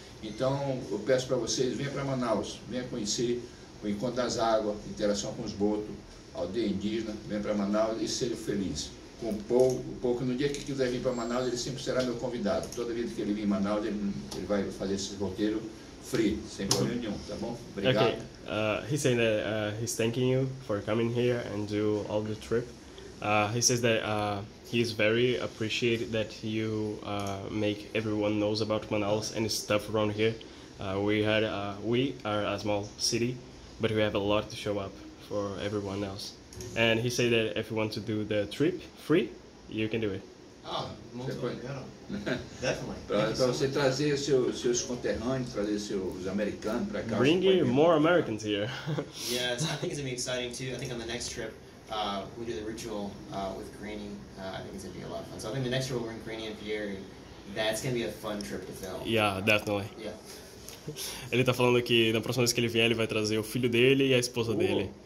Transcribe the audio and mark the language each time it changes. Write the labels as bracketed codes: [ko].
[pt] Então eu peço para vocês, venha para Manaus, venha conhecer. O encontro das águas, interação com os botos, aldeia indígena, vem para Manaus e seja feliz. Com o povo que no dia que quiser vir para Manaus, ele sempre será meu convidado. Toda vida que ele vir em Manaus, ele vai fazer esse roteiro free, sem problema nenhum, tá bom? Obrigado. [en] Okay. He's saying that he's thanking you for coming here and do all the trip. He says that he's very appreciated that you make everyone knows about Manaus and stuff around here. We are a small city. But we have a lot to show up for everyone else. And he said that if you want to do the trip free, you can do it. [pt] Ah, muito legal. [en] Definitely. [pt] Para você trazer seus conterrâneos, trazer seus americanos para cá. [en] Bring you more Americans here. Yeah, I think it's going to be exciting too. I think on the next trip, we do the ritual with Granny. I think it's going to be a lot of fun. So I think the next trip we'll bring Granny and Pierre. That's going to be a fun trip to film. Yeah, definitely. Yeah. [pt] Ele está falando que na próxima vez que ele vier, ele vai trazer o filho dele e a esposa dele.